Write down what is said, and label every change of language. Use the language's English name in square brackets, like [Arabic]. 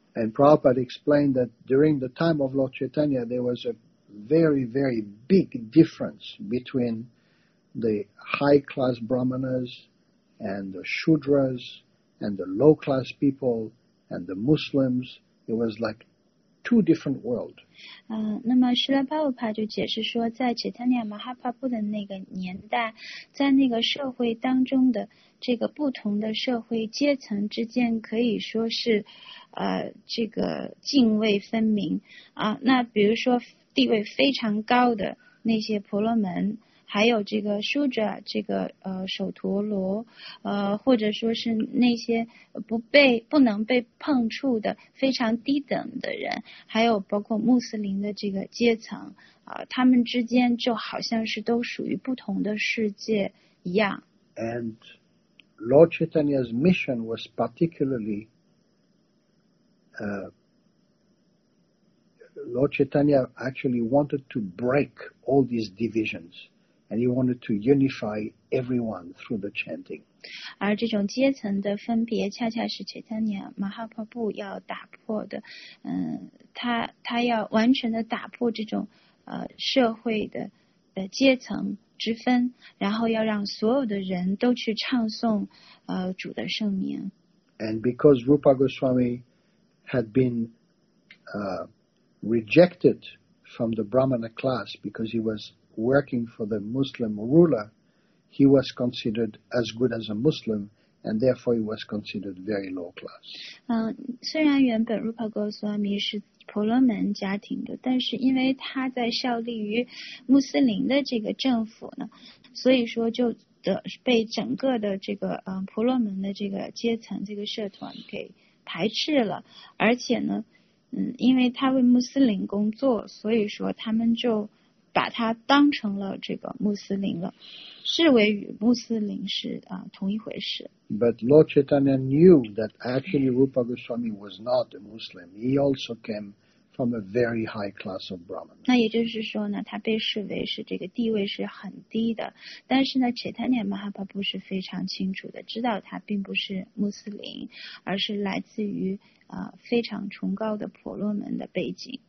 [English] And Prabhupada explained that during the time of Lord Chaitanya, there was a very, very big difference between the high class Brahmanas and the Shudras and the low class people and the Muslims. It was like two different worlds. [Chinese] 那么释迦牟尼就解释说，在 Chaitanya Mahaprabhu 的那个年代，在那个社会当中的这个不同的社会阶层之间可以说是这个泾渭分明那比如说地位非常高的那些婆罗门还有这个舒哲这个首陀罗或者说是那些不能被碰触的非常低等的人还有包括穆斯林的这个阶层他们之间就好像是都属于不同的世界一样。 [English] And Lord Chaitanya's mission was particularly Lord Chaitanya actually wanted to break all these divisions and he wanted to unify everyone through the chanting. [Chinese] 而这种阶层的分别恰恰是 Chaitanya Mahaprabhu 要打破的他要完全的打破这种社会的阶层之分然后要让所有的人都去唱诵主的圣名。 [English] And because Rupa Goswami had been rejected from the Brahmana class because he was working for the Muslim ruler, he was considered as good as a Muslim, and therefore he was considered very low class. [Chinese] 虽然原本 Rupa Goswami 是婆罗门家庭的，但是因为他在效力于穆斯林的这个政府呢，所以说就被整个的这个婆罗门的这个阶层这个社团给排斥了，而且呢。因为他为穆斯林工作所以说他们就把他当成了这个穆斯林了视为与穆斯林是同一回事。 [English] But Lord Chaitanya knew that actually Rupa Goswami was not a Muslim. He also came from a very high class of Brahmana. [Chinese] 那也就是说呢他被视为是这个地位是很低的但是呢 Chaitanya Mahaprabhu 是非常清楚的知道他并不是穆斯林而是来自于非常崇高的婆罗门的背景。